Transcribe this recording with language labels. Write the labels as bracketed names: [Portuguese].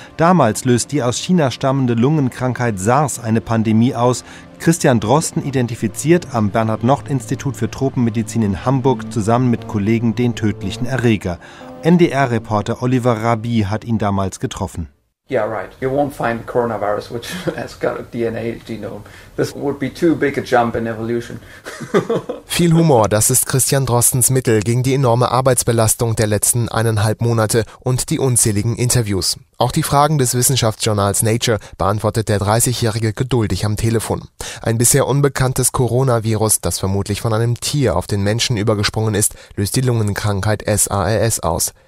[German] Damals löst die aus China stammende Lungenkrankheit SARS eine Pandemie aus. Christian Drosten identifiziert am Bernhard-Nocht-Institut für Tropenmedizin in Hamburg zusammen mit Kollegen den tödlichen Erreger. NDR-Reporter Oliver Rabi hat ihn damals getroffen. [English] Yeah, right. You won't find the coronavirus, which has got a DNA genome. This would be too big a jump in evolution. [German] Viel Humor, das ist Christian Drostens Mittel gegen die enorme Arbeitsbelastung der letzten 1,5 Monate und die unzähligen Interviews. Auch die Fragen des Wissenschaftsjournals Nature beantwortet der 30-Jährige geduldig am Telefon. Ein bisher unbekanntes Coronavirus, das vermutlich von einem Tier auf den Menschen übergesprungen ist, löst die Lungenkrankheit SARS aus.